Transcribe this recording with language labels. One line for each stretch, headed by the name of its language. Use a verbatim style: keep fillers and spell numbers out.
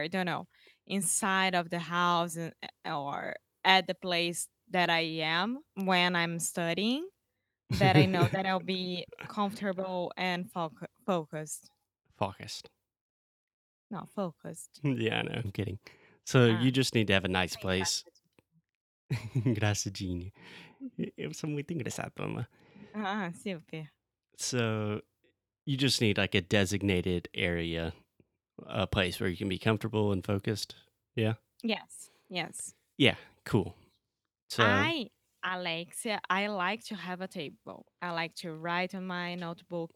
English: I don't know, inside of the house and- or at the place that I am when I'm studying, that I know that I'll be comfortable and foc- focused. Focused. No, focused. Yeah, I know. I'm kidding. So Ah, you just need to have a nice
Portuguese: sem
English: place.
Portuguese: graça. Engraçadinho. E- Eu sou muito engraçado, mamãe. Ah, super.
English: So you just need like a designated area, a place where you can be comfortable and focused. Yeah. Yes, yes. Yeah. Cool. So I Alexia, I like to have a table. I like to write on my notebook.